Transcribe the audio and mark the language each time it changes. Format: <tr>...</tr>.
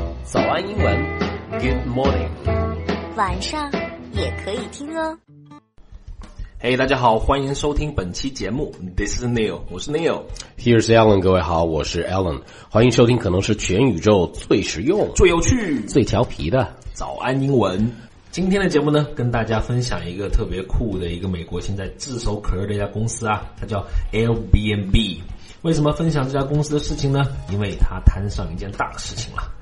<zh>早安英文</zh> <en>Good morning，</en> <zh>晚上也可以听哦。</zh> <en>Hey，</en> <zh>大家好，欢迎收听本期节目。</zh> <en>This is Neil，</en> <zh>我是</zh> <en>Neil。 Here's Alan，</en> <zh>各位好，我是 Alan。欢迎收听可能是全宇宙最实用、最有趣、最调皮的早安英文。今天的节目呢，跟大家分享一个特别酷的一个美国现在炙手可热的一家公司啊，它叫 Airbnb。为什么分享这家公司的事情呢？因为它摊上一件大事情了。</zh>